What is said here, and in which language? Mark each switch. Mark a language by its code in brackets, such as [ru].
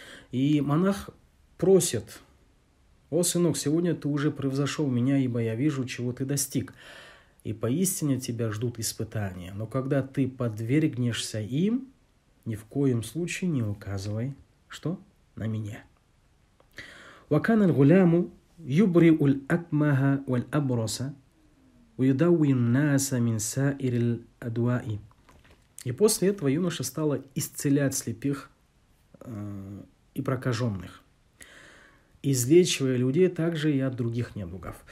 [ru] И монах просит: «О, сынок, сегодня ты уже превзошел меня, ибо я вижу, чего ты достиг. И поистине тебя ждут испытания. Но когда ты подвергнешься им, ни в коем случае не указывай, что на меня». [ar] وكان الغلام يبرئ الأكمه والأبرص ويدوي الناس من سائر الأدواء. [ru] И после этого юноша стала исцелять слепых и прокаженных, излечивая людей также и от других недугов.